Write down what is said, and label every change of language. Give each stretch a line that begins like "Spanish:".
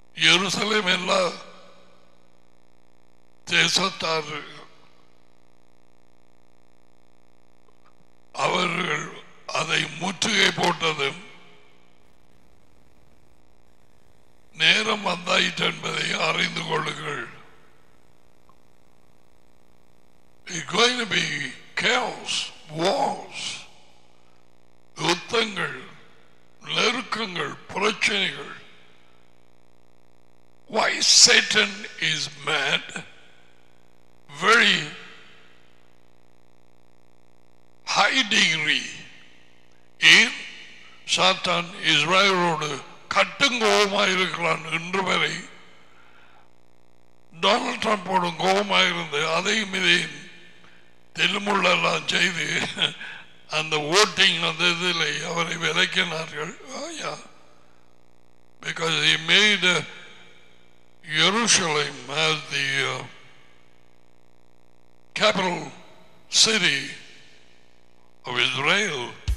Tamil: எருசலேம் எல்லா தேசத்தார் அவர்கள் அதை முற்றுகை போட்டதும் நேரம் வந்தாயிற்று என்பதை அறிந்து கொள்ளுங்கள்.
English: It's going to be chaos, wars,
Tamil: யுத்தங்கள், நெருக்கங்கள், பிரச்சனைகள்.
English: Why Satan is mad? Very high degree.
Tamil: ஏன் சாத்தான் இஸ்ரேலோடு கட்டும் கோபமாயிருக்கிறான் என்று வரை டொனால்ட் ட்ரம்ப்போடு கோபமாயிருந்து அதையும் இதையும் தெலுமுள்ளெல்லாம் செய்து அந்த ஓட்டிங் அந்த இதில் அவரை விளக்கினார்கள்.
English: because he made Jerusalem as the capital city of Israel.